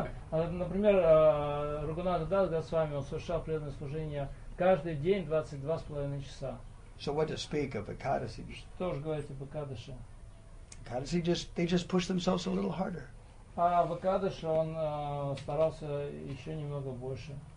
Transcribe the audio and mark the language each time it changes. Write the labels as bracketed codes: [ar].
[ru] Например, Рагунат Дас Госвами, он совершал преданное служение каждый день 22 с половиной часа. [en] So what to speak of Ekadasi? [ru] Что же говорить об Экадаши? [en] Ekadasi just, they just push themselves a little harder. [ru] А в Экадаши он старался еще немного больше.